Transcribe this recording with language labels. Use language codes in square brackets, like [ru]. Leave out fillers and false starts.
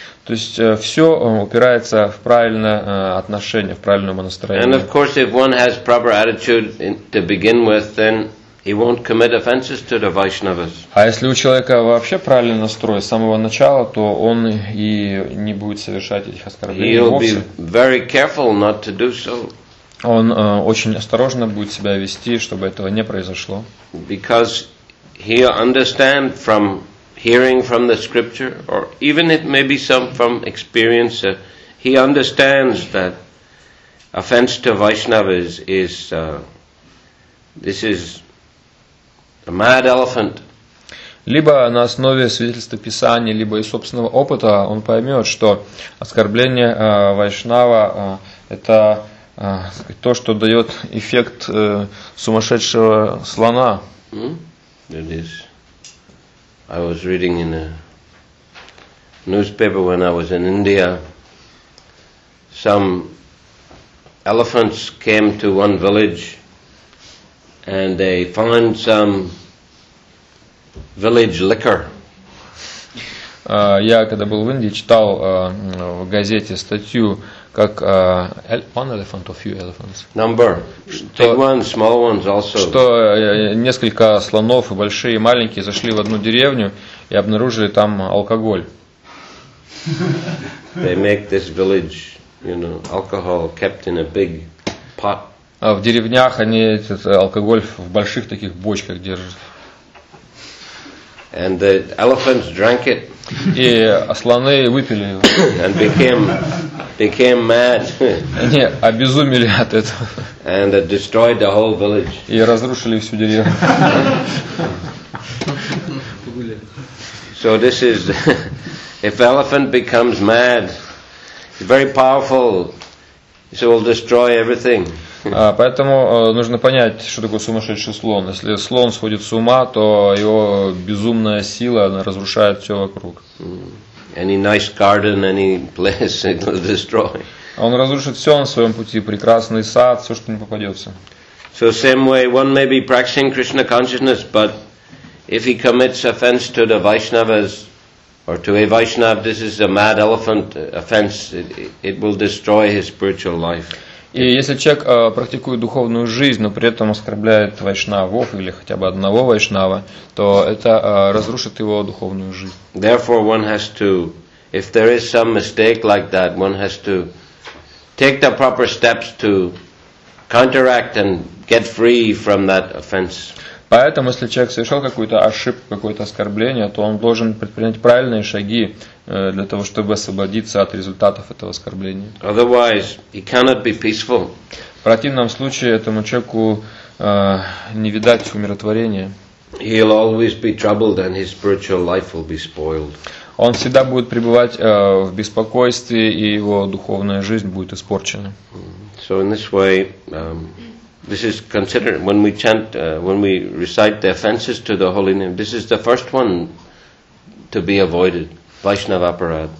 [ru] То есть все упирается в правильное отношение, в правильное настроение. [en] And of course, if one has proper attitude to begin with, then he won't commit offenses to the Vaishnavas. [ru] А если у человека вообще правильный настрой с самого начала, то он и не будет совершать этих оскорблений. [en] He'll be very careful not to do so. [ru] Он очень осторожно будет себя вести, чтобы этого не произошло. [en] Because he'll understand from hearing from the scripture, or even it may be some from experience, he understands that offense to Vaishnavas is a mad elephant. [ru] Либо на основе свидетельства Писания, либо из собственного опыта он поймет, что оскорбление вайшнава это то, что дает эффект сумасшедшего слона. [en] It is. I was reading in a newspaper when I was in India. Some elephants came to one village and they found some village liquor. [ru] Я когда был в Индии, читал в газете статью, как [en] one elephant or few elephants. Number. [ru] Что, [en] big ones, small ones also. [ru] Что несколько слонов, и большие, и маленькие, зашли в одну деревню и обнаружили там алкоголь. [en] They make this village, you know, alcohol kept in a big pot. [ru] В деревнях они этот алкоголь в больших таких бочках держат. [en] And the elephants drank it. [ru] И слоны выпили его. [en] And became mad. [ru] Они обезумели от этого. [en] And it destroyed the whole village. [ru] И разрушили всю деревню. [en] So this is, if elephant becomes mad, very powerful, so it will destroy everything. [ru] Поэтому нужно понять, что такое сумасшедший слон. Если слон сходит с ума, то его безумная сила разрушает все вокруг. [en] Any nice garden, any place, it will destroy. [ru] Он разрушит все на своем пути, прекрасный сад, все, что не попадется. [en] So same way, one may be practicing Krishna consciousness, but if he commits offense to the Vaishnavas or to a Vaishnava, this is a mad elephant offense. It will destroy his spiritual life. [ru] И если человек практикует духовную жизнь, но при этом оскорбляет вайшнавов или хотя бы одного вайшнава, то это разрушит его духовную жизнь. [en] Therefore, one has to, if there is some mistake like that, one has to take the proper steps to counteract and get free from that offense. [ru] Поэтому, если человек совершил какую-то ошибку, какое-то оскорбление, то он должен предпринять правильные шаги для того, чтобы освободиться от результатов этого оскорбления. [en] Otherwise, he cannot be peaceful. [ru] В противном случае этому человеку не видать умиротворения. [en] He'll always be troubled and his spiritual life will be spoiled. [ru] Он всегда будет пребывать в беспокойстве, и его духовная жизнь будет испорчена. [en] So in this way, this is considered when we chant, when we recite the offenses to the holy name. This is the first one to be avoided, Vaishnava aparad.